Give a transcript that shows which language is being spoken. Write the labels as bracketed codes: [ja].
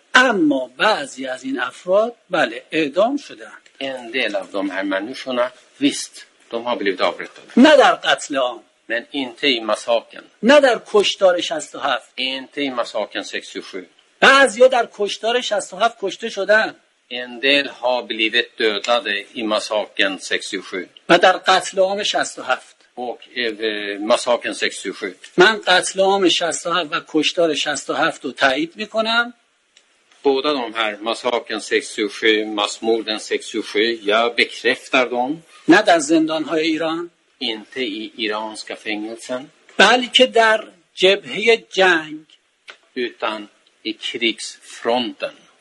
[fa] اما بعضی از این افراد بله اعدام شدند. [sv] En del av de här människorna visst de har blivit avrättade. [fa] نه در قتل عام. [sv] Men inte i massakern. [fa] نه در کشتار 67. [sv] Inte i massakern 67. [fa] بعضی در کشتار 67 کشته شدند. [sv] En del har blivit dödade i massakern 67. [fa] و در قتل عام 67. [sv] Och i massakern 67. [fa] من قتل عام 67 و کشتار 67 رو تایید می کنم. [sv] Båda de här, massaken 67, massmorden 67, jag bekräftar dem. [fa] När där zindan har Iran? [sv] Inte i iranska fängelsen. [fa] Balke där jebhe jang. [sv] Utan i krigsfronten.